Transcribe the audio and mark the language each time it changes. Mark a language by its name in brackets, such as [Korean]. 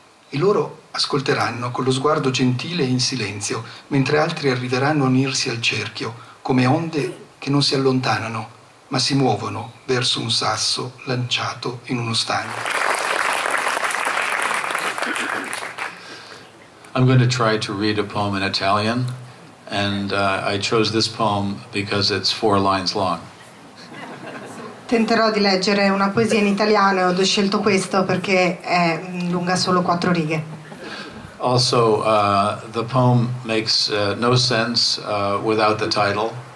[Italian] E loro ascolteranno con lo sguardo gentile e in silenzio, mentre altri arriveranno a unirsi al cerchio, come onde che non si allontanano, ma si muovono verso un sasso lanciato in uno stagno. [English] I'm going to try to read a poem in Italian, and I chose this poem because it's four lines long. [Italian] Tenterò di leggere una poesia in italiano, ho scelto questo perché è lunga solo quattro righe. [English] Also, the poem makes no sense without the title.